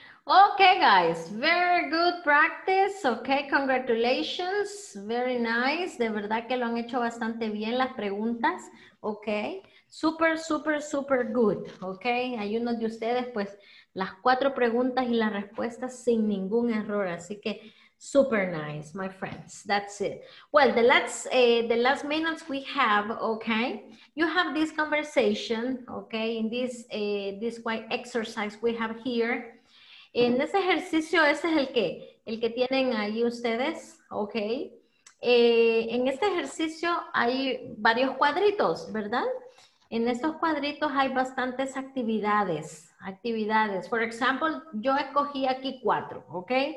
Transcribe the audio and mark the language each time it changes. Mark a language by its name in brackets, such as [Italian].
[English] Okay, guys, very good practice. Okay, congratulations. Very nice. [Spanish] De verdad que lo han hecho bastante bien las preguntas. [English] Okay, super, super, super good. [Spanish] Okay, hay unos de ustedes, pues, las cuatro preguntas y las respuestas sin ningún error. Así que, [English] super nice, my friends. That's it. Well, the last minutes we have, okay, you have this conversation, okay, in this, this white exercise we have here. [Spanish] En ese ejercicio, ese es el que tienen ahí ustedes, ¿ok? En este ejercicio hay varios cuadritos, ¿verdad? En estos cuadritos hay bastantes actividades. [English] For example, [Spanish] yo escogí aquí cuatro, ¿ok?